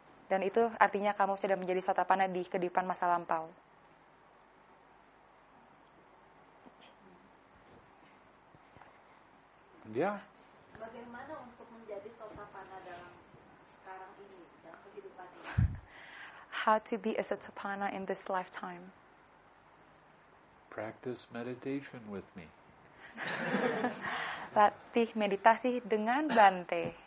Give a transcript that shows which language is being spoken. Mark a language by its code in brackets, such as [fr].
[id] Dan itu artinya kamu sudah menjadi satapana di kedipan masa lampau. Ya. Bagaimana untuk menjadi satapana dalam sekarang ini, dalam kehidupan ini? [en] How to be a satapana in this lifetime? Practice meditation with me. [id] Latih meditasi dengan Bante.